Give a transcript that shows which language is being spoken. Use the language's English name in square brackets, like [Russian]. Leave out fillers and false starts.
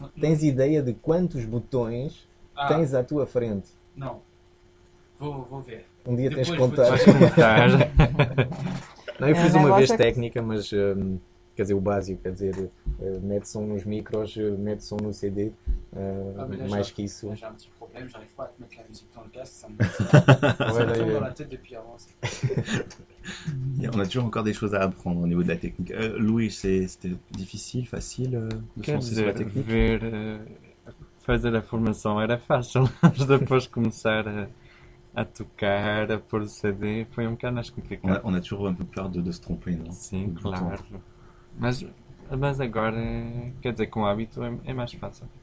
[Portuguese] Tens ideia de quantos botões tens à tua frente? Não, vou ver. Um dia depois tens de contar. Não, eu fiz uma vez técnica, mas quer dizer, o básico, quer dizer, mete som nos micros, mete som no CD, mais que isso. Já me tive problemas, [French] j'arrive pas à mettre la musique dans le casque. On a toujours encore des choses à apprendre au niveau de la technique. Louis, c'était difficile, facile de se lancer sur la technique? [Portuguese] Fazer a formação era fácil, mas depois começar a tocar, a pôr o CD, foi um bocado mais complicado. [French] On a toujours un peu peur de se tromper, [Portuguese] não? Sim, de claro. Mas agora, quer dizer, com o hábito é mais fácil.